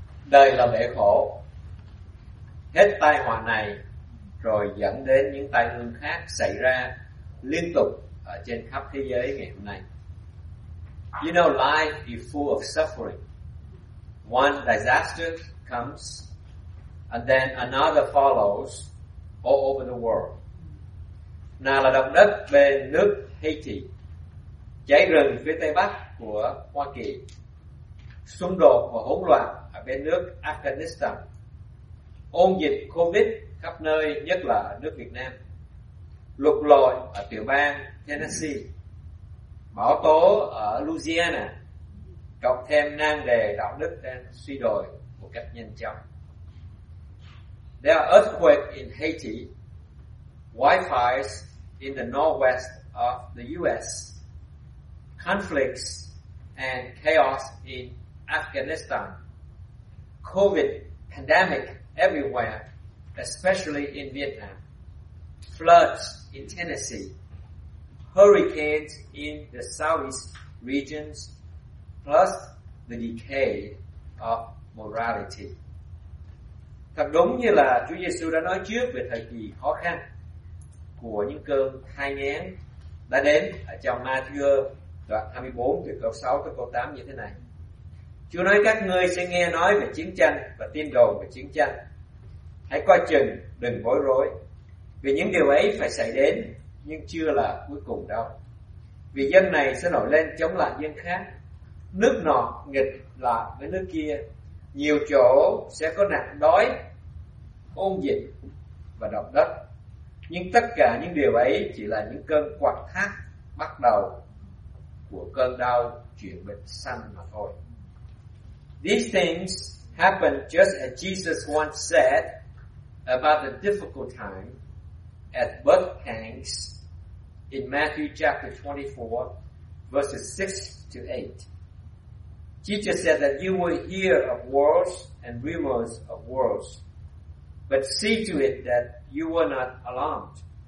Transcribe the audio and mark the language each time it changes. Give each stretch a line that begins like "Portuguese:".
Vietnamese: Đời là bể khổ, hết tai họa này rồi dẫn đến những tai ương khác xảy ra liên tục ở trên khắp thế giới ngày hôm nay.
English: You know, life is full of suffering. One disaster comes, and then another follows all over the world.
Vietnamese: Nào là động đất bên nước Haiti, cháy rừng phía tây bắc của Hoa Kỳ, xung đột và hỗn loạn ở bên nước Afghanistan, ôn dịch COVID khắp nơi, nhất là nước Việt Nam, lục lội ở tiểu bang Tennessee, bão tố ở Louisiana, cộng thêm nan đề đạo đức đang suy đồi một cách nhanh chóng.
English: There are earthquakes in Haiti, wildfires in the northwest of the U.S., conflicts and chaos in Afghanistan, COVID pandemic everywhere, especially in Vietnam, floods in Tennessee, hurricanes in the southeast regions, plus the decay of morality.
Vietnamese: Thật đúng như là Chúa Giêsu đã nói trước về thời kỳ khó khăn của những cơn thai nghén đã đến ở trong Ma-thi-ơ đoạn 24 từ câu 6 tới câu 8 như thế này. Chúa nói các ngươi sẽ nghe nói về chiến tranh và tin đồn về chiến tranh. Hãy coi chừng, đừng bối rối, vì những điều ấy phải xảy đến, nhưng chưa là cuối cùng đâu. Vì dân này sẽ nổi lên chống lại dân khác, nước nọ nghịch lại với nước kia, nhiều chỗ sẽ có nạn đói, ôn dịch và động đất. Nhưng tất cả những điều ấy chỉ là những cơn quặn thắt bắt đầu của cơn đau chuyển bệnh xanh mà thôi.
English: These things happen just as Jesus once said about the difficult time at both hands in Matthew chapter 24, verses 6 to 8. Jesus said that you will hear of wars and rumors of wars, but see to it that you are not alarmed.